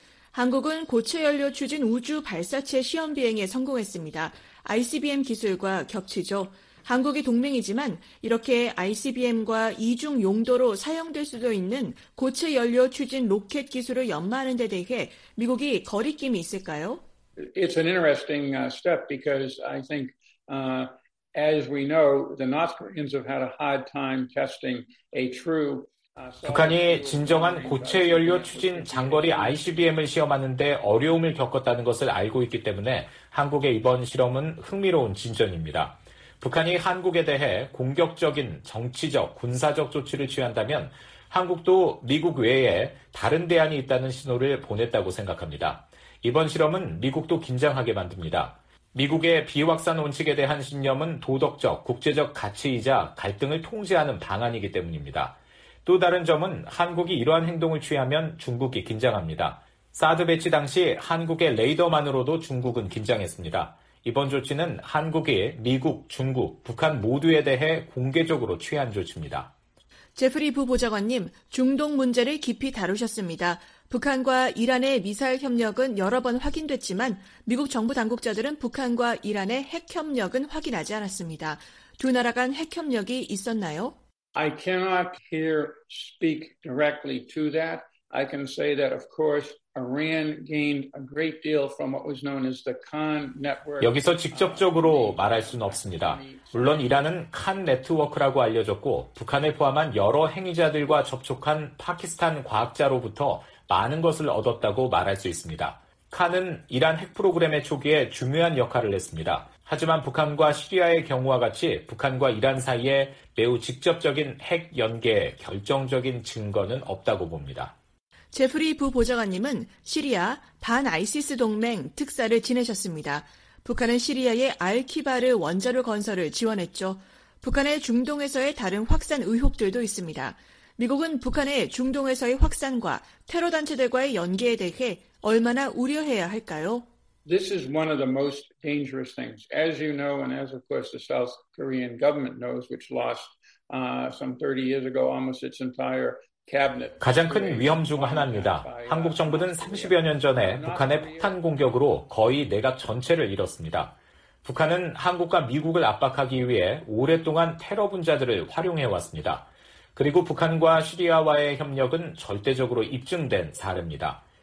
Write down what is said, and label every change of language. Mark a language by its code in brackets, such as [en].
[ko] 한국은 고체 연료 추진 우주 발사체 시험 비행에 성공했습니다. ICBM 기술과 겹치죠. 한국이 동맹이지만 이렇게 ICBM과 이중 용도로 사용될 수도 있는 고체 연료 추진 로켓 기술을 연마하는 데 대해 미국이 거리낌이 있을까요? [en] It's an interesting step because I think as we know the North Koreans have had a hard time testing a true [ko] 북한이 진정한 고체 연료 추진 장거리 ICBM을 시험하는데 어려움을 겪었다는 것을 알고 있기 때문에 한국의 이번 실험은 흥미로운 진전입니다. 북한이 한국에 대해 공격적인 정치적, 군사적 조치를 취한다면 한국도 미국 외에 다른 대안이 있다는 신호를 보냈다고 생각합니다. 이번 실험은 미국도 긴장하게 만듭니다. 미국의 비확산 원칙에 대한 신념은 도덕적, 국제적 가치이자 갈등을 통제하는 방안이기 때문입니다. 또 다른 점은 한국이 이러한 행동을 취하면 중국이 긴장합니다. 사드 배치 당시 한국의 레이더만으로도 중국은 긴장했습니다. 이번 조치는 한국이 미국, 중국, 북한 모두에 대해 공개적으로 취한 조치입니다. 제프리 부보좌관님, 중동 문제를 깊이 다루셨습니다. 북한과 이란의 미사일 협력은 여러 번 확인됐지만 미국 정부 당국자들은 북한과 이란의 핵 협력은 확인하지 않았습니다. 두 나라 간 핵 협력이 있었나요? [en] I cannot here speak directly to that. I can say that, of course, Iran gained a great deal from what was known as the Khan Network. [ko] 여기서 직접적으로 말할 수는 없습니다. 물론 이란은 칸 네트워크라고 알려졌고 북한을 포함한 여러 행위자들과 접촉한 파키스탄 과학자로부터 많은 것을 얻었다고 말할 수 있습니다. 칸은 이란 핵 프로그램의 초기에 중요한 역할을 했습니다. 하지만 북한과 시리아의 경우와 같이 북한과 이란 사이에 매우 직접적인 핵 연계의 결정적인 증거는 없다고 봅니다. 제프리 부보좌관님은 시리아 반 아이시스 동맹 특사를 지내셨습니다. 북한은 시리아의 알키바르 원자로 건설을 지원했죠. 북한의 중동에서의 다른 확산 의혹들도 있습니다. 미국은 북한의 중동에서의 확산과 테러 단체들과의 연계에 대해 얼마나 우려해야 할까요? [en] This is one of the most dangerous things. As you know and as of course the South Korean government knows which lost some 30 years ago almost its entire [ko] 가장 큰 위험 중 하나입니다. 한국 정부는 30여 년 전에 북한의 폭탄 공격으로 거의 내각 전체를 잃었습니다. 북한은 한국과 미국을 압박하기 위해 오랫동안 테러 분자들을 활용해왔습니다. 그리고 북한과 시리아와의 협력은 절대적으로 입증된 사례입니다.